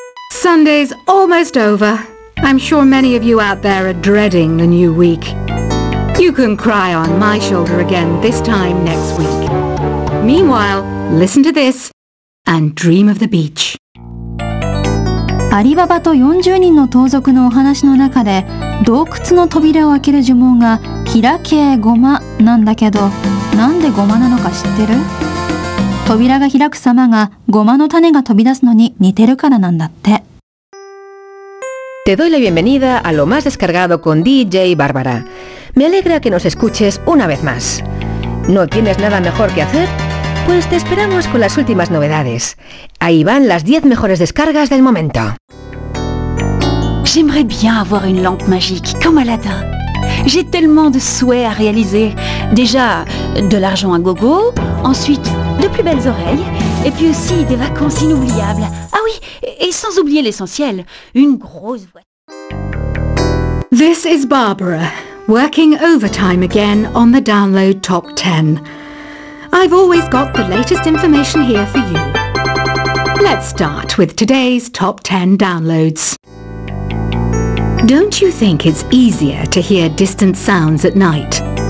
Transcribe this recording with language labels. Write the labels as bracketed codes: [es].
[en] Sunday's almost over. I'm sure many of you out there are dreading the new week. You can cry on my shoulder again this time next week. Meanwhile, listen to this and dream of the beach. [ja] アリババと40人の盗賊のお話の中で、洞窟の扉を開ける呪文が開けゴマなんだけど、なんでゴマなのか知ってる？扉が開く様がゴマの種が飛び出すのに似てるからなんだって。 [es] Te doy la bienvenida a lo más descargado con DJ Bárbara. Me alegra que nos escuches una vez más. ¿No tienes nada mejor que hacer? Pues te esperamos con las últimas novedades. Ahí van las 10 mejores descargas del momento. [fr] J'aimerais bien avoir une lampe magique comme Aladdin. J'ai tellement de souhaits à réaliser. Déjà, de l'argent à gogo, ensuite, de plus belles oreilles, et puis aussi des vacances inoubliables. Ah oui, et sans oublier l'essentiel, une grosse voiture. [en] This is Barbara, working overtime again on the download top 10. I've always got the latest information here for you. Let's start with today's top 10 downloads. Don't you think it's easier to hear distant sounds at night?